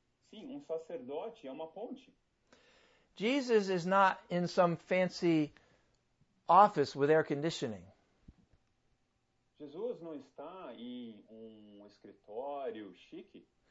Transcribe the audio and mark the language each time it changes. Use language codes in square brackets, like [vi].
[pt] Sim, sacerdote é uma ponte. [en] Jesus is not in some fancy office with air conditioning. [pt] Jesus não está em escritório chique.